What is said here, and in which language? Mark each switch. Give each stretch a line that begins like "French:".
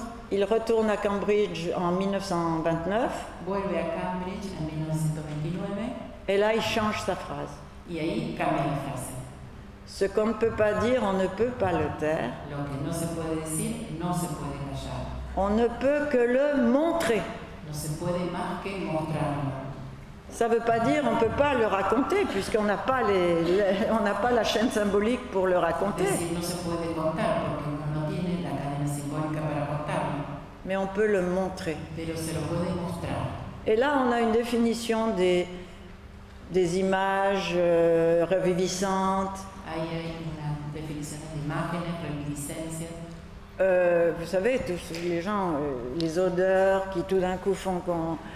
French: Il retourne à Cambridge en 1929. À Cambridge en 1929. Et là, il change sa phrase.
Spanish: Y ahí cambia la frase.
French: Ce qu'on ne peut pas dire, on ne peut pas le taire.
Spanish: Lo que no se puede decir, no se puede callar.
French: On ne peut que le montrer.
Spanish: No se puede más que mostrarlo.
French: Ça ne veut pas dire qu'on ne peut pas le raconter, puisqu'on n'a pas on n'a pas la chaîne symbolique pour le raconter.
Spanish: No se puede contar, porque uno tiene la cadena simbólica para contarlo.
French: Mais on peut le montrer.
Spanish: Pero se lo puede mostrar.
French: Et là, on a une définition des images reviviscentes.
Spanish: Ahí hay una definición de imágenes, reminiscencias.
French: Vous savez, tous les gens, les odeurs qui tout d'un coup font qu'on...